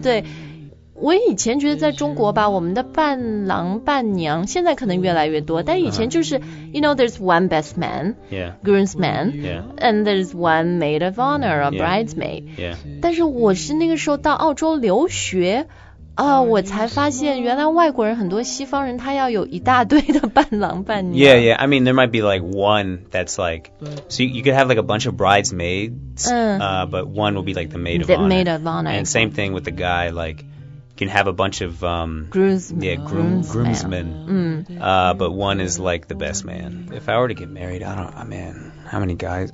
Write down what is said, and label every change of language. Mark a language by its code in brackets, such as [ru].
[zh] 对，我以前觉得在中国吧，我们的伴郎伴娘现在可能越来越多，但以前就是、 uh-huh. [en] ，you know, there's one best man, yeah, groomsman, yeah, and there's one maid of honor, a bridesmaid, yeah. [zh] 但是我是那个时候到澳洲留学。哦、我才发现原来外国人很多西方人他要有一大堆的伴郎伴娘 [en] Yeah, yeah, I mean there might be like one that's like So you could have like a bunch of bridesmaids、But one will be like the maid of the honor maid of honor And same thing with the guy like You can have a bunch of Groomsmen Yeah, groomsmen、 But one is like the best man If I were to get married, I don't know, man How many guys?